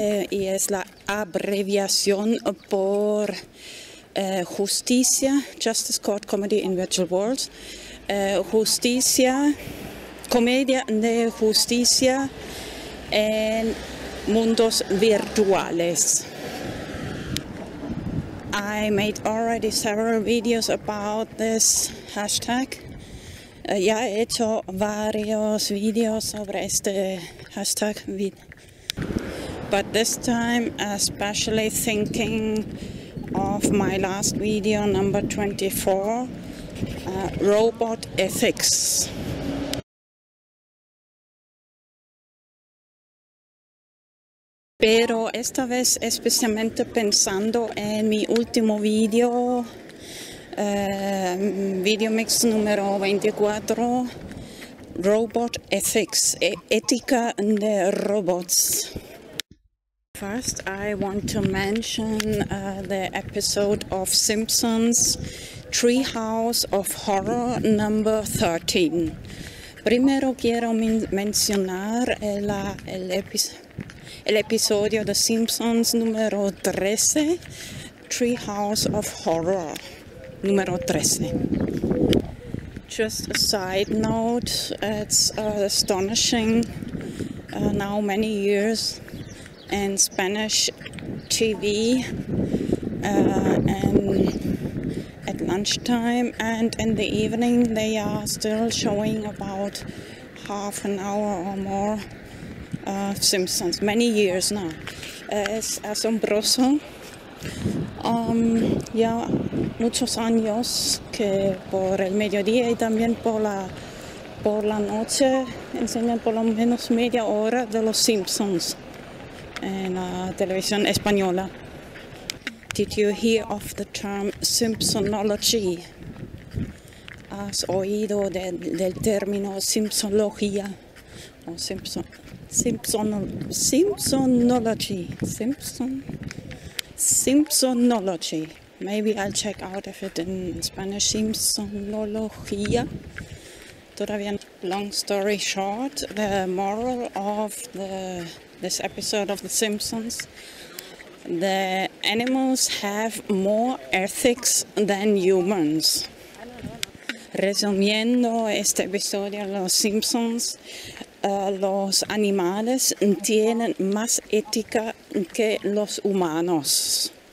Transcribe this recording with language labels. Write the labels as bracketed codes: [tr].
[es] y es la abreviación por justicia, Justice Court Comedy in Virtual Worlds, justicia, comedia de justicia en mundos virtuales. [en] I made already several videos about this hashtag. [es] Ya he hecho varios videos sobre este hashtag. [en] But this time, especially thinking of my last video, number 24, robot ethics. [es] Pero esta vez especialmente pensando en mi último video, VideoMix número 24, Robot Ethics, ética de robots. [en] First, I want to mention the episode of Simpsons, Treehouse of Horror number 13. [es] Primero quiero mencionar el episodio de Simpsons número 13, Treehouse of Horror, número 13. [en] Just a side note, it's astonishing, now many years in Spanish TV and at lunchtime and in the evening they are still showing about half an hour or more Simpsons, many years now. [es] Es asombroso. Ya muchos años que por el mediodía y también por la noche enseñan por lo menos media hora de los Simpsons en la televisión española. [en] Did you hear of the term Simpsonology? [es] ¿Has oído del término Simpsonología o Simpson? [en] Simpsonology. Maybe I'll check out if it in Spanish. Simpsonología. Todavía. Long story short, the moral of this episode of The Simpsons: the animals have more ethics than humans. [es] Resumiendo este episodio de Los Simpsons. Los animales tienen más ética que los humanos.